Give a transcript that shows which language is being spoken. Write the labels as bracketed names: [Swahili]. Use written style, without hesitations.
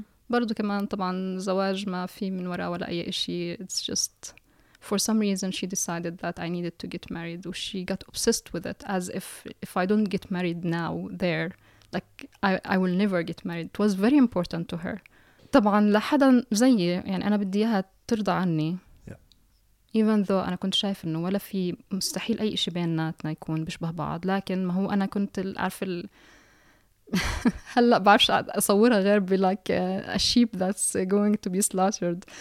[Arabic] برضو كمان طبعا زواج ما في من وراء ولا أي إشي. [English] It's just for some reason she decided that I needed to get married. And she got obsessed with it as if I don't get married now there, like I will never get married. It was very important to her. [Arabic] طبعا لحدا زيي يعني أنا بدي إياها ترضى عني. [English] Even though [Arabic] أنا كنت شايف إنه ولا في مستحيل أي إشي بيناتنا يكون بشبه بعض، لكن ما هو أنا كنت عارف ال هلأ بعرفش أصورها غير بلايك [English] a sheep that's going to be slaughtered.